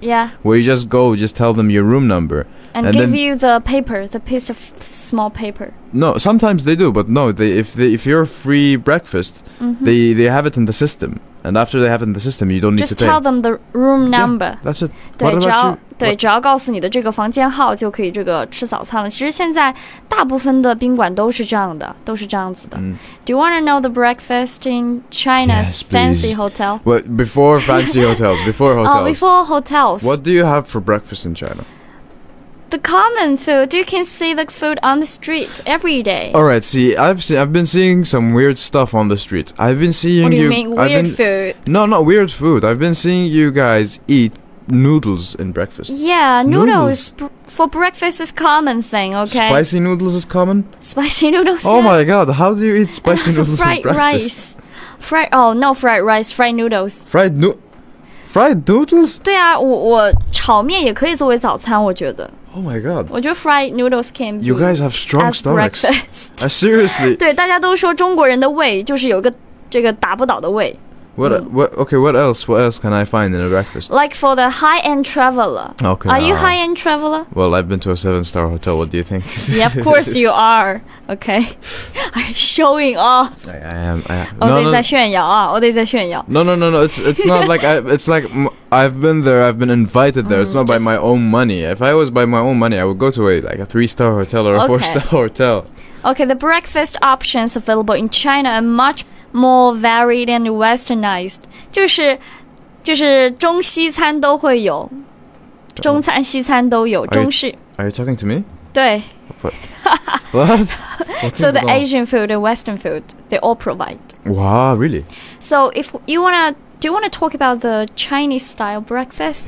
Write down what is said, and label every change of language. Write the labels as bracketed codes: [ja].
[en] Yeah, where you just go, just tell them your room number and give you the paper, the piece of small paper. No, sometimes they do, but no, if you're free breakfast, they have it in the system. And after they have it in the system, you don't need to pay. Just tell them the room number. Yeah, that's it. What about you? [zh] 对，只要告诉你的这个房间号就可以这个吃早餐了。其实现在大部分的宾馆都是这样的，都是这样子的。 [en] Do you want to know the breakfast in China's fancy hotel? Well, before fancy hotels, before hotels. Before hotels. What do you have for breakfast in China? The common food. You can see the food on the street every day. All right. See, I've been seeing some weird stuff on the street. I've been seeing you. What do you mean, weird food? No, not weird food. I've been seeing you guys eat noodles in breakfast. Yeah, noodles for breakfast is common thing, okay? Spicy noodles is common? Spicy noodles, Oh my god, how do you eat spicy noodles in breakfast? Fried rice. Fried noodles. Fried, no, Fried noodles? [zh] 对啊，我炒面也可以作为早餐，我觉得。 [en] Oh my god. [zh] 我觉得 [en] fried noodles can be You guys have strong stomachs. Seriously. [zh] 对，大家都说中国人的胃就是有个这个打不倒的胃。 [en] What else can I find in a breakfast? Like for the high-end traveler. Okay. Are you high-end traveler? Well, I've been to a 7-star hotel. What do you think? Yeah, of course you are. Okay. Are you showing off? No. It's not like I've been there. I've been invited there. It's not by my own money. If I was by my own money, I would go to a 3-star hotel or a 4-star hotel. Okay, the breakfast options available in China are much more varied and westernized. [zh] 就是中西餐都会有，中餐西餐都有，中式。 [en] Are you talking to me? [zh] 对。 [en] What? So the Asian food and Western food, they all provide. Wow, really? So if you wanna, do you wanna talk about the Chinese style breakfast?